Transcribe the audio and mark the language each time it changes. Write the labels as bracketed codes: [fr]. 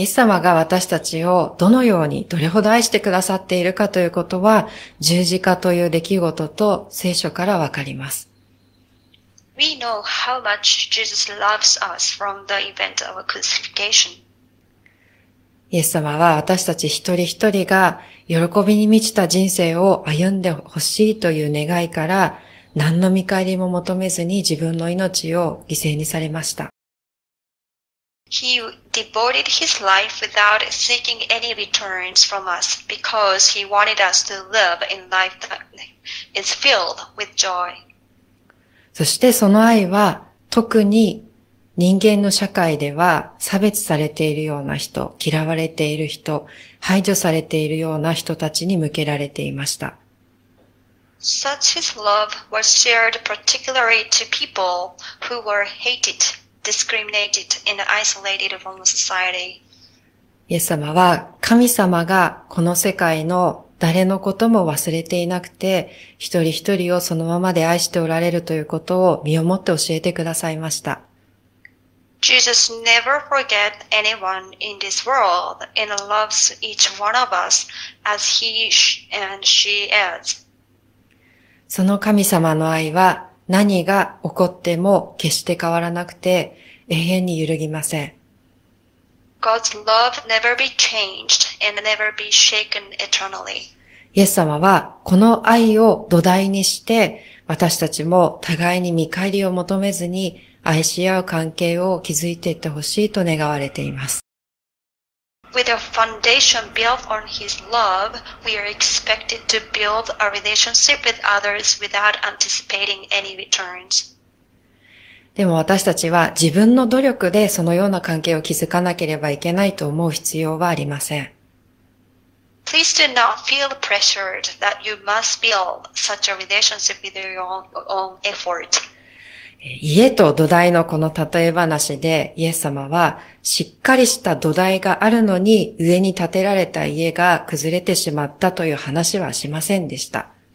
[ja] イエス様が私たちをどのようにどれほど愛してくださっているかということは、十字架という出来事と聖書からわかります。 [en] We know how much Jesus loves us from the event of crucifixion. [ja] イエス様は私たち一人一人が喜びに満ちた人生を歩んでほしいという願いから、何の見返りも求めずに自分の命を犠牲にされました。 [en] He devoted his life without seeking any returns from us because he wanted us to live in life that is filled with joy. [ja] そしてその愛は特に人間の社会では差別されているような人、嫌われている人、排除されているような人たちに向けられていました。 [en] Such his love was shared particularly to people who were hated. Discriminated and isolated from society. [ja] イエス様は神様がこの世界の誰のことも忘れていなくて、一人一人をそのままで愛しておられるということを身をもって教えてくださいました。 [en] Jesus never forget anyone in this world and loves each one of us as he and she is. [ja] その神様の愛は何が起こっても決して変わらなくて永遠に揺るぎません。 [en] God's love never be changed and never be shaken eternally. [ja] イエス様はこの愛を土台にして私たちも互いに見返りを求めずに愛し合う関係を築いていってほしいと願われています。 [en] With a foundation built on his love, we are expected to build a relationship with others without anticipating any returns. [ja] でも私たちは自分の努力でそのような関係を築かなければいけないと思う必要はありません。 [en] Please do not feel pressured that you must build such a relationship with your own effort. [ja] 家と土台のこの例え話でイエス様はしっかりした土台があるのに上に建てられた家が崩れてしまったという話はしませんでした。